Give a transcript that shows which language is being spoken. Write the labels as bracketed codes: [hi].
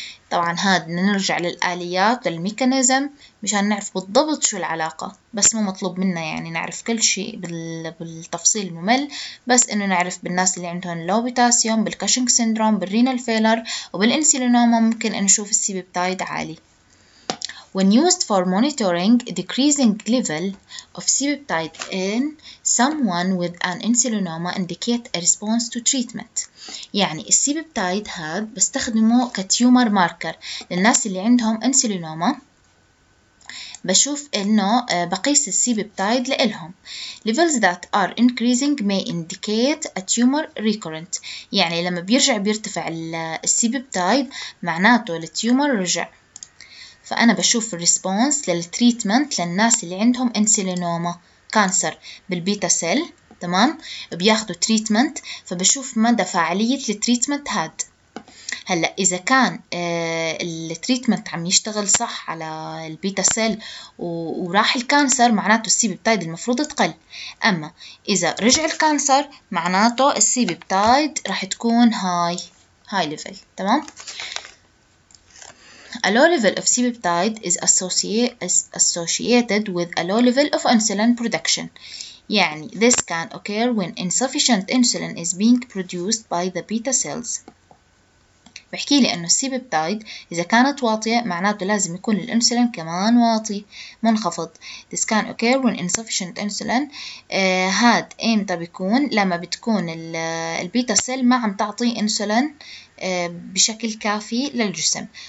[ar] طبعا هاد نرجع للآليات للميكانيزم مشان نعرف بالضبط شو العلاقة، بس مو مطلوب منا يعني نعرف كل شيء بالتفصيل الممل، بس انه نعرف بالناس اللي عندهم لو بوتاسيوم بالكوشنج سيندروم بالرينال فيلر وبالإنسولينوما ممكن نشوف السي بيبتايد عالي. [en] when used for monitoring decreasing level of C-peptide in someone with an insulinoma indicate a response to treatment. [ar] يعني السيببتايد هاد بستخدمه كتيومر ماركر للناس اللي عندهم انسولينوما، بشوف انه بقيس السيببتايد لإلهم. [en] Levels that are increasing may indicate a tumor recurrent. [ar] يعني لما بيرجع بيرتفع السيببتايد معناته التيومر رجع. فأنا بشوف الريسبونس للتريتمنت للناس اللي عندهم انسيلينوما كانسر بالبيتا سيل، تمام، بياخدوا تريتمنت، فبشوف مدى فعالية التريتمنت هاد. هلأ إذا كان التريتمنت عم يشتغل صح على البيتا سيل وراح الكانسر، معناته السي بيبتايد المفروض تقل. أما إذا رجع الكانسر معناته السي بيبتايد راح تكون هاي ليفل، تمام. [en] A low level of C-peptide is associated with a low level of insulin production. يعني this can occur when insufficient insulin is being produced by the beta cells. [ar] بحكي لي أنه C-peptide إذا كانت واطية معناته لازم يكون الإنسولين كمان واطي منخفض. [en] This can occur when insufficient insulin [ar] هاد إمتى بيكون؟ لما بتكون البيتا سيل ما عم تعطي إنسولين بشكل كافي للجسم.